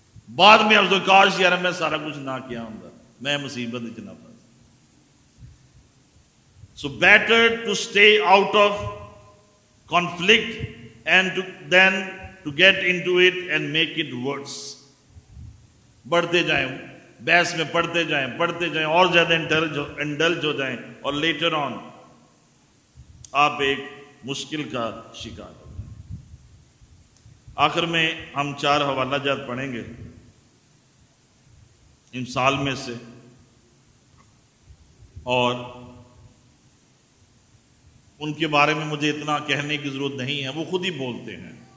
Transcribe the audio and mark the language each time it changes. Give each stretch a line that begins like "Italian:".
Hindi: बाद में अफसोस, काश यार मैं सारा कुछ ना किया होता, मैं मुसीबत में चला पाता।
English: So better to stay out of conflict and then to get into it and make it worse.
Hindi: बढ़ते जाएं, बहस में पढ़ते जाएं और ज्यादा इंडल्ज हो जाएं और लेटर ऑन आप एक मुश्किल का शिकार हो जाए। आखिर में हम चार हवाला जात पढ़ेंगे इम्साल में से, और उनके बारे में मुझे इतना कहने की जरूरत नहीं है, वो खुद ही बोलते हैं।